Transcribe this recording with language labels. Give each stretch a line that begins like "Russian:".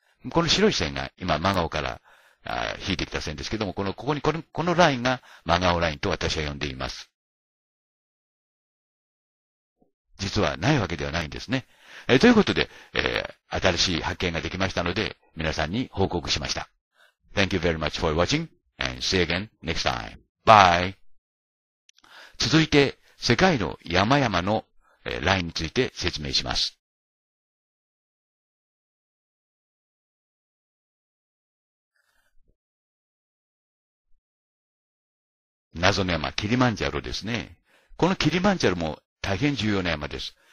Japanese: この白い線が今マガオから引いてきた線ですけども、このラインがマガオラインと私は呼んでいます。実はないわけではないんですね。ということで、新しい発見ができましたので、皆さんに報告しました。
English: Thank you very much for watching and see you again next time. Bye.
Japanese: 続いて世界の山々のラインについて説明します。謎の山、キリマンジャロですね。このキリマンジャロも大変重要な山です。